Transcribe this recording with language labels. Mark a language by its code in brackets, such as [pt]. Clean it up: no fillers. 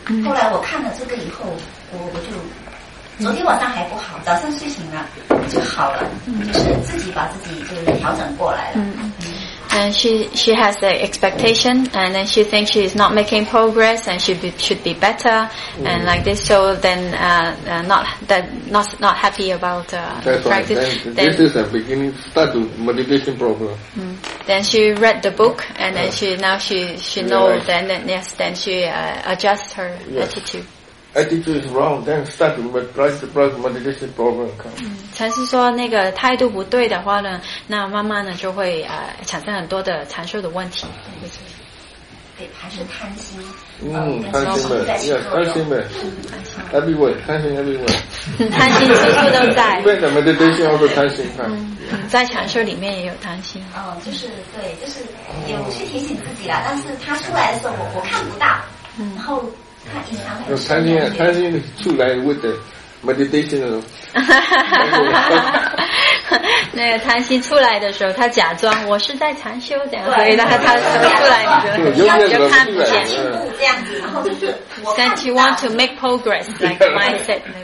[zh] 后来我看了这个以后，我就。昨天晚上还不好，早上睡醒了就好了，就是自己把自己就是调整过来了。 [en] And she has the expectation, and then she thinks she is not making progress, and should be better, and like this. So then, not happy about practice. Then, this is a beginning start to meditation problem. Then she read the book, and then she knows. Then she adjusts her attitude. Attitude is wrong, then start to practice the meditation problem. [zh] 禅师说那个态度不对的话呢，那慢慢呢就会产生很多的禅修的问题。对，还是贪心。贪心呗，贪心呗 ， [en] everywhere， [zh] 贪心 everywhere，贪心处处都在。对，咱们的对象都是贪心。嗯，在强势里面也有贪心。哦，就是对，就是也我去提醒自己了，但是他出来的时候我看不到，然后他隐藏了。贪心，贪心出来 [en] with the meditation [zh] 的。那个禅修出来的时候，他假装我是在禅修的，所以他出来的时候就看不见，这样子，然后就是 [en] Since you want to make progress, like mindset.